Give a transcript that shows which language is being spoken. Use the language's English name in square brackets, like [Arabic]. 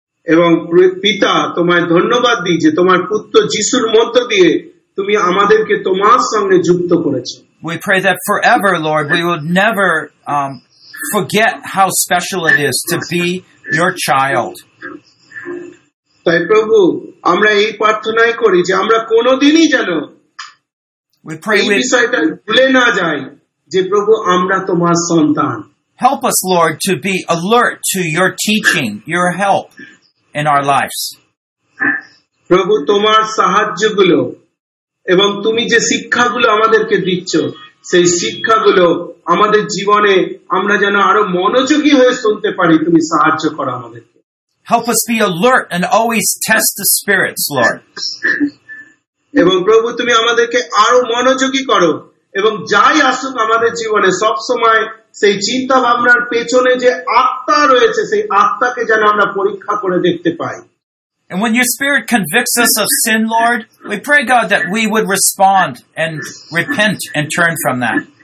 [Bangla] Ebong pita tomay dhonnobad di je tomar putro jisur moddhe diye তুমি আমাদেরকে তোমার সঙ্গে যুক্ত করেছো। [English] We pray that forever, Lord, we will never forget how special it is to be your child. [Bangla] তাই প্রভু আমরা এই প্রার্থনাই করি যে আমরা কোনোদিনই যেন [English] We pray [Bangla] এই বিষয়টা ভুলে না যাই যে প্রভু আমরা তোমার সন্তান। [English] Help us, Lord, to be alert to your teaching, your help in our lives. [Bangla] প্রভু তোমার সাহায্যগুলো এবং তুমি যে শিক্ষাগুলো আমাদেরকে দিচ্ছ সেই শিক্ষাগুলো আমাদের জীবনে আমরা যেন আরো মনোযোগী হয়ে শুনতে পারি, তুমি সাহায্য করো আমাদেরকে। [English] Help us be alert and always test the spirits, Lord. [Bangla] এবং প্রভু তুমি আমাদেরকে আরো মনোযোগী করো এবং যাই আসুক আমাদের জীবনে সবসময় সেই চিন্তা ভাবনার পেছনে যে আত্মা রয়েছে সেই আত্মাকে যেন আমরা পরীক্ষা করে দেখতে পাই। [English] And when your spirit convicts us of sin, Lord, we pray, God, that we would respond and repent and turn from that.